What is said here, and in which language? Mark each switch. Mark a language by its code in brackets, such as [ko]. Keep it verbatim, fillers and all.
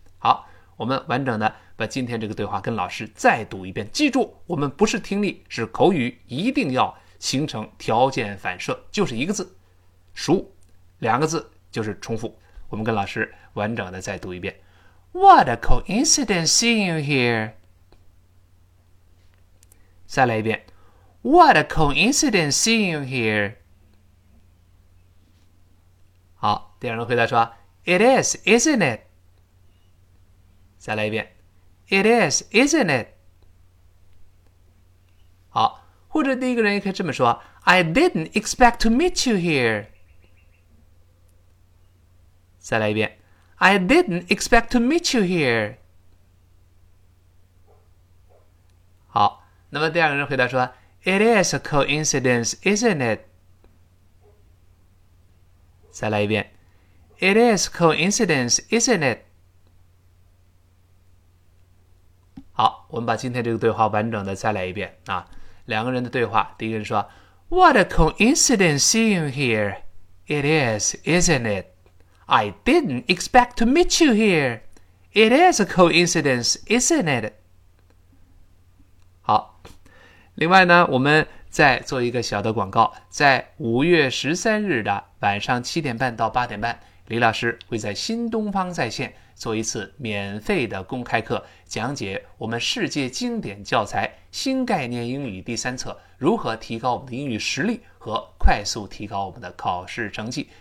[zh] 好，我们完整的把今天这个对话跟老师再读一遍。记住，我们不是听力，是口语，一定要形成条件反射，就是一个字熟，两个字就是重复。我们跟老师完整的再读一遍。 [en] What a coincidence seeing you here。 [zh] 再来一遍 [en] What a coincidence seeing you here。 [zh] 好，第二人回答说 [en] It is, isn't it？ [zh] 再来一遍 It is, isn't it？好，或者第一个人也可以这么说 [en] I didn't expect to meet you here。 [zh] 再来一遍 [en] I didn't expect to meet you here。 [zh] 好，那么第二个人回答说 [en] It is a coincidence, isn't it？ [zh] 再来一遍 [en] It is coincidence, isn't it？ [zh] 好，我们把今天这个对话完整的再来一遍啊。两个人的对话，第一个人说 [en] What a coincidence seeing you here. It is, isn't it? I didn't expect to meet you here. It is a coincidence, isn't it? [zh] 好，另外呢，我们再做一个小的广告，在五月十三日的晚上七点半到八点半，李老师会在新东方在线做一次免费的公开课，讲解我们世界经典教材《新概念英语》第三册如何提高我们的英语实力和快速提高我们的考试成绩。